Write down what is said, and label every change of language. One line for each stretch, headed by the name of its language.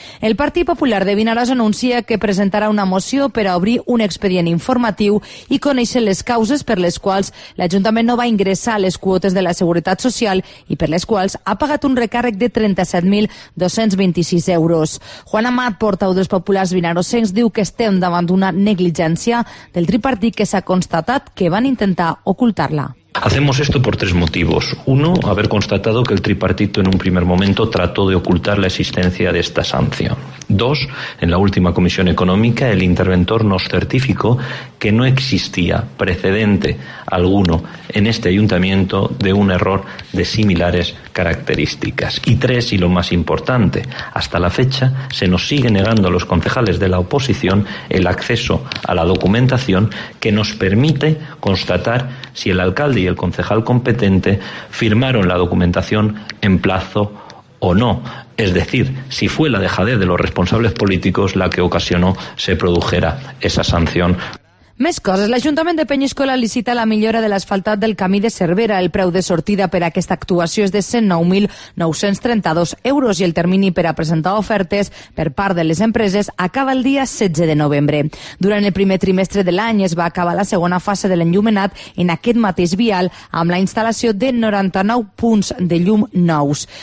Catalan: El Partit Popular de Vinaròs anuncia que presentarà una moció per a obrir un expedient informatiu i conèixer les causes per les quals l'Ajuntament no va ingressar les quotes de la Seguretat Social i per les quals ha pagat un recàrrec de 37.226 euros. Juan Amat, portau dels populars vinarossencs, diu que estem davant d'una negligència del tripartit que s'ha constatat que van intentar ocultar-la.
Spanish: Hacemos esto por tres motivos. Uno, haber constatado que el tripartito en un primer momento trató de ocultar la existencia de esta sanción. Dos, en la última comisión económica el interventor nos certificó que no existía precedente alguno en este ayuntamiento de un error de similares características. Y tres, y lo más importante, hasta la fecha se nos sigue negando a los concejales de la oposición el acceso a la documentación que nos permite constatar si el alcalde y el concejal competente firmaron la documentación en plazo o no. Es decir, si fue la dejadez de los responsables políticos la que ocasionó se produjera esa sanción.
Catalan: Més coses. L'Ajuntament de Peñíscola licita la millora de l'asfaltat del camí de Cervera. El preu de sortida per a aquesta actuació és de 109.932 euros i el termini per a presentar ofertes per part de les empreses acaba el dia 16 de novembre. Durant el primer trimestre de l'any es va acabar la segona fase de l'enllumenat en aquest mateix vial amb la instal·lació de 99 punts de llum nous.